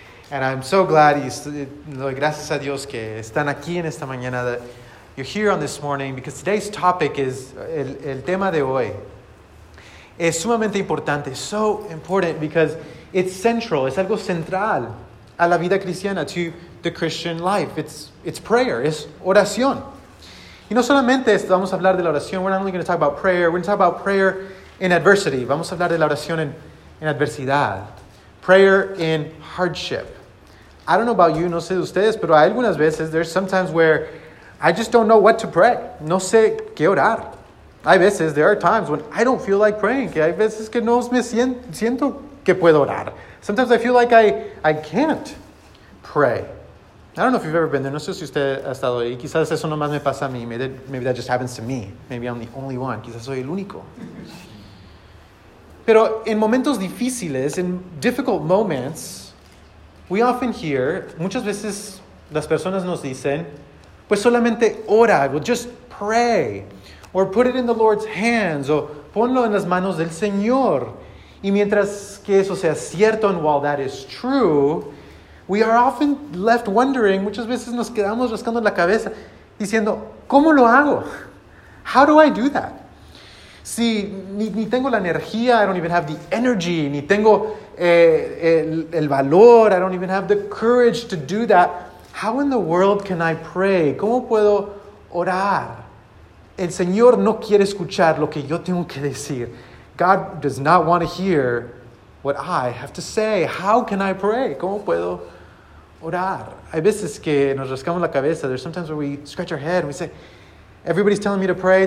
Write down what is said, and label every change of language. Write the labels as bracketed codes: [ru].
[en] And I'm so glad, [es] gracias a Dios que están aquí en esta mañana, [en] that you're here on this morning, because today's topic is, [es] el tema de hoy, es sumamente importante, [en] so important, because it's central, [es] es algo central a la vida cristiana, [en] to the Christian life. It's prayer, [es] es oración. Y no solamente vamos a hablar de la oración, [en] we're not only going to talk about prayer, we're going to talk about prayer in adversity. [es] Vamos a hablar de la oración en adversidad. [en] Prayer in hardship. I don't know about you, [es] no sé de ustedes, pero hay algunas veces, [en] there's sometimes where I just don't know what to pray. [es] No sé qué orar. Hay veces, [en] there are times when I don't feel like praying. [es] Que hay veces que no me siento que puedo orar. [en] Sometimes I feel like I can't pray. I don't know if you've ever been there. [es] No sé si usted ha estado ahí. Quizás eso nomás me pasa a mí. [en] Maybe that just happens to me. Maybe I'm the only one. [es] Quizás soy el único. Pero en momentos difíciles, [en] in difficult moments, we often hear, [es] muchas veces las personas nos dicen, pues solamente ora, [en] well, just pray, or put it in the Lord's hands, [es] o ponlo en las manos del Señor. Y mientras que eso sea cierto, [en] and while that is true, We are often left wondering, [es] muchas veces nos quedamos rascando la cabeza, diciendo, ¿cómo lo hago? [en] How do I do that? [es] Si ni tengo la energía, [en] I don't even have the energy, [es] ni tengo el valor, [en] I don't even have the courage to do that. How in the world can I pray? [es] ¿Cómo puedo orar? El Señor no quiere escuchar lo que yo tengo que decir. [en] God does not want to hear what I have to say. How can I pray? [es] ¿Cómo puedo orar? Hay veces que nos rascamos la cabeza. [en] There's sometimes where we scratch our head and we say, everybody's telling me to pray.